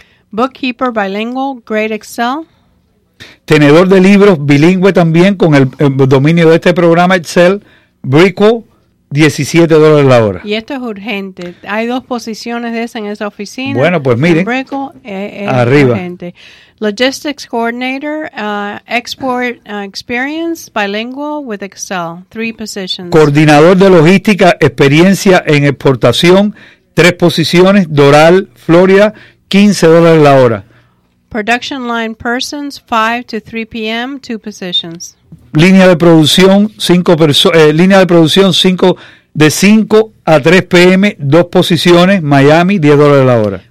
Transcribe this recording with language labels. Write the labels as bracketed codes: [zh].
[en] Bookkeeper bilingual, great Excel. [es] Tenedor de libros bilingüe también con el dominio de este programa Excel, Brickwell, $17 la hora. Y esto es urgente. Hay dos posiciones de esa en esa oficina. Bueno, pues miren. Brickwell es arriba. Urgente. [en] Logistics coordinator, export experience, bilingual with Excel, 3 positions. [es] Coordinador de logística, experiencia en exportación, 3 posiciones, Doral, Florida, $15 la hora. [en] Production line persons, 5 to 3 p.m., 2 positions. [es] Línea de producción, 5 línea de producción, 5 de 5 a 3 p.m., 2 posiciones, Miami, $10 la hora.